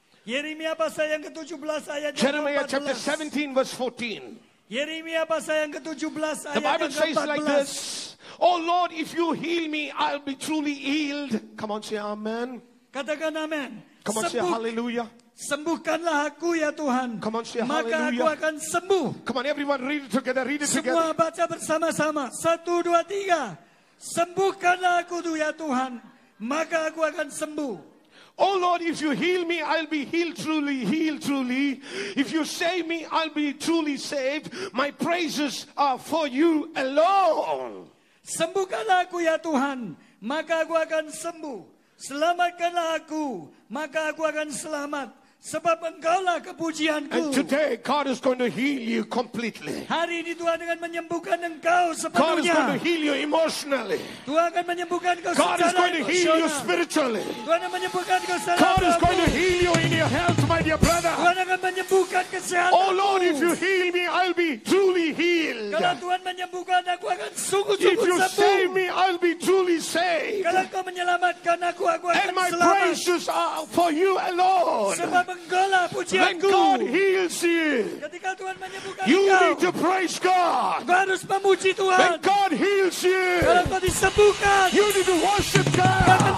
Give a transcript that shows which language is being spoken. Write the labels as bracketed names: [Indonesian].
[Indonesian] Yeremia pasal yang ke-17 ayat yang ke-14. [English] Jeremiah chapter 17 verse 14. [Indonesian] Yeremia pasal yang ke-17 ayat yang ke-14. [English] The Bible says like this. Oh Lord, if you heal me, I'll be truly healed. Come on, say amen. [Indonesian] Katakan amen. [English] Come on, say hallelujah. [Indonesian] Sembuhkanlah aku ya Tuhan. [English] Come on, say [Indonesian] maka [English] hallelujah. [Indonesian] Aku akan sembuh. [English] Come on, everyone, read it together. Read it [Indonesian] semua Semua baca bersama-sama. 1, 2, 3. Sembuhkanlah aku ya Tuhan. Maka aku akan sembuh. [English] Oh Lord, if you heal me, I'll be healed truly, healed truly. If you save me, I'll be truly saved. My praises are for you alone. [Indonesian] Sembuhkanlah aku ya Tuhan, maka aku akan sembuh. Selamatkanlah aku, maka aku akan selamat. Sebab Engkaulah kepujianku. [English] And today God is going to heal you completely. [Indonesian] Hari ini Tuhan akan menyembuhkan engkau sepenuhnya. [English] God is going to heal you emotionally. [Indonesian] Tuhan akan menyembuhkan engkau secara emosional. [English] God is going to heal you spiritually. [Indonesian] Tuhan akan menyembuhkan engkau secara [English] spiritual. God is going to heal you in your health, my dear brother. [Indonesian] Tuhan akan menyembuhkan kesehatanmu. [English] Oh Lord, if you heal me, I'll be truly healed. [Indonesian] Kalau Tuhan menyembuhkan aku akan sungguh-sungguh sembuh. [English] If you save me, I'll be truly saved. [Indonesian] Kalau kau menyelamatkan aku akan selamat. [English] And my praises are for you alone. When God heals you, you need to praise God. When God heals you, you need to worship God.